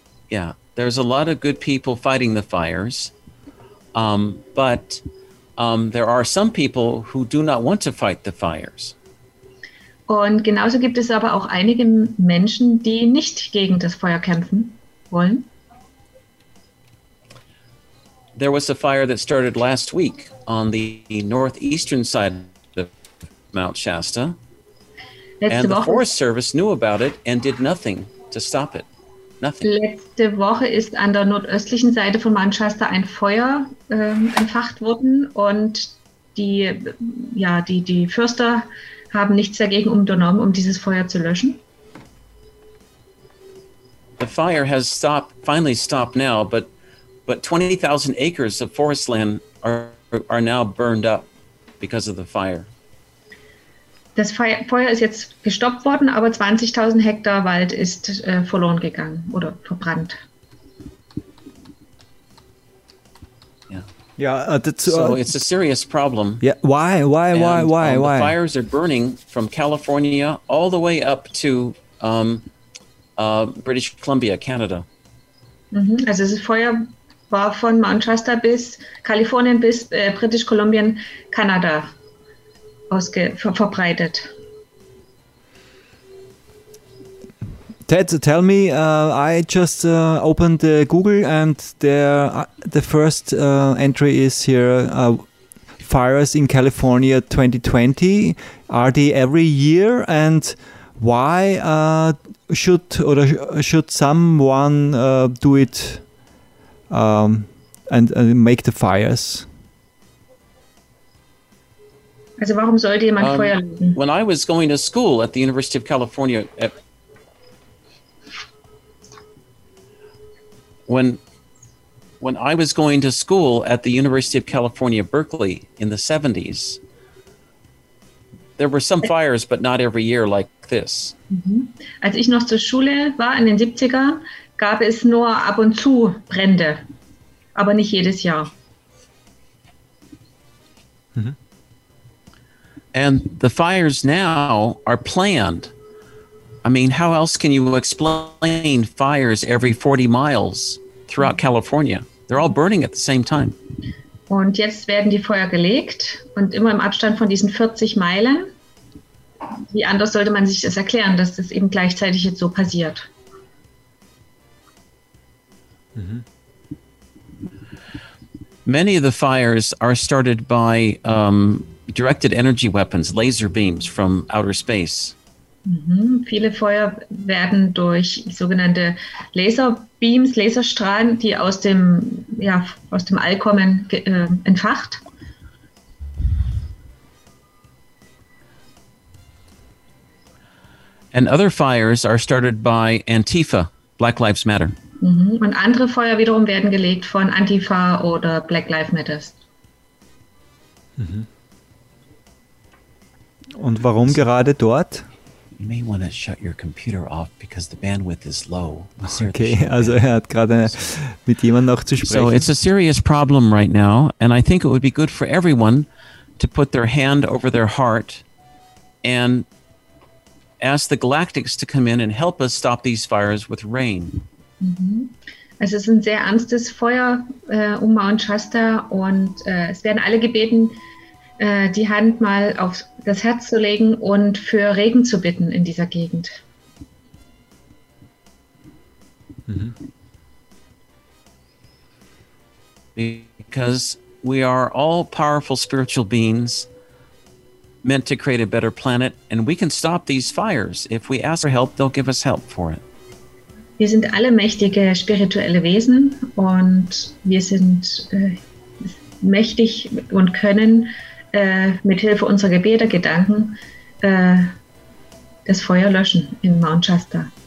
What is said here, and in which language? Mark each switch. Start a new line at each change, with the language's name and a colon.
English: Yeah, there's a lot of good people fighting the fires, but there are some people who do not want to fight the fires.
German: Und genauso gibt es aber auch einige Menschen, die nicht gegen das Feuer kämpfen wollen.
English: There was a fire that started last week on the northeastern side of Mount Shasta.
German: Letzte
English: and the
German: Woche
English: Forest Service knew about it and did nothing to stop it. Nothing.
German: Letzte Woche ist an der nordöstlichen Seite von Mount Shasta ein Feuer entfacht worden und die Förster haben nichts dagegen unternommen, um dieses Feuer zu löschen.
English: The fire has finally stopped now, but 20,000 acres of forest land are now burned up because of the fire.
German: Das Feuer ist jetzt gestoppt worden, aber 20.000 Hektar Wald ist verloren gegangen oder verbrannt. Ja.
English: So it's a serious problem. Yeah. Why? The fires are burning from California all the way up to British Columbia, Canada.
German: Also das Feuer war von Mount Shasta bis Kalifornien bis British Columbia, Kanada. Verbreitet.
English: Ted, tell me, I just opened Google and the first entry is here, fires in California 2020, are they every year and why should someone do it and make the fires?
German: Also warum sollte jemand Feuer legen?
English: When I was going to school at the University of California, when I was going to school at the University of California, Berkeley in the 70s, There were some fires, but not every year like this. Mhm.
German: Als ich noch zur Schule war in den 70ern, gab es nur ab und zu Brände, aber nicht jedes Jahr.
English: And the fires now are planned. I mean, how else can you explain fires every 40 miles throughout California? They're all burning at the same time.
German: Und jetzt werden die Feuer gelegt und immer im Abstand von diesen 40 Meilen. Wie anders sollte man sich das erklären, dass das eben gleichzeitig jetzt so passiert? Mhm.
English: Many of the fires are started by directed energy weapons, laser beams from outer space. Mhm.
German: Viele Feuer werden durch sogenannte Laserbeams, Laserstrahlen, die aus dem, ja, aus dem All kommen, entfacht.
English: And other fires are started by Antifa, Black Lives Matter. Mhm.
German: Und andere Feuer wiederum werden gelegt von Antifa oder Black Lives Matter. Mhm. Und warum gerade dort?
English: You may want to shut your computer off because the bandwidth is low.
German: Okay, also er hat gerade mit jemandem noch zu sprechen.
English: So it's a serious problem right now, and I think it would be good for everyone to put their hand over their heart and ask the galactics to come in and help us stop these fires with rain. Mhm.
German: Es ist ein sehr ernstes Feuer um Mount Shasta und es werden alle gebeten, die Hand mal auf das Herz zu legen und für Regen zu bitten in dieser Gegend. Mhm.
English: Because we are all powerful spiritual beings meant to create a better planet, and we can stop these fires. If we ask for help, they'll give us help for it.
German: Wir sind alle mächtige spirituelle Wesen und wir sind mächtig und können mithilfe unserer Gebete, Gedanken das Feuer löschen in Mount Shasta.